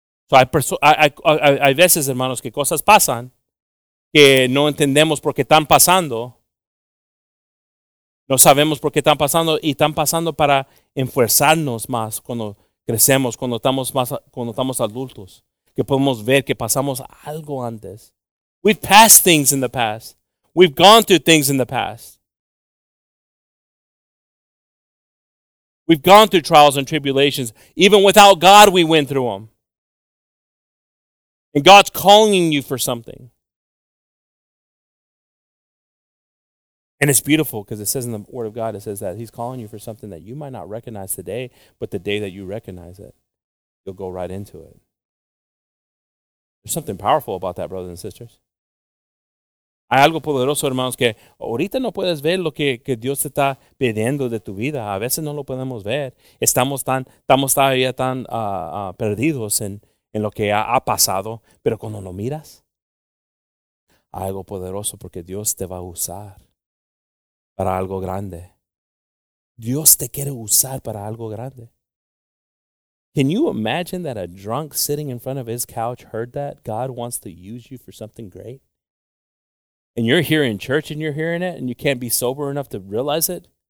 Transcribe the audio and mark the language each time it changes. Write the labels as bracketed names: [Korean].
[Spanish] So hay veces, hermanos, que cosas pasan que no entendemos por qué están pasando. No sabemos por qué están pasando y están pasando para enfuerzarnos más cuando crecemos, cuando estamos adultos, que podemos ver que pasamos algo antes. [English] We've passed things in the past. We've gone through things in the past. We've gone through trials and tribulations. Even without God, we went through them. And God's calling you for something. And it's beautiful because it says in the Word of God, it says that He's calling you for something that you might not recognize today, but the day that you recognize it, you'll go right into it. There's something powerful about that, brothers and sisters. [Spanish] Hay algo poderoso, hermanos, que ahorita no puedes ver lo que Dios te está pidiendo de tu vida. A veces no lo podemos ver. Estamos todavía tan perdidos en lo que ha pasado. Pero cuando lo miras, hay algo poderoso porque Dios te va a usar para algo grande. Dios te quiere usar para algo grande. [English] Can you imagine that a drunk sitting in front of his couch heard that? God wants to use you for something great. And you're here in church and you're hearing it and you can't be sober enough to realize it?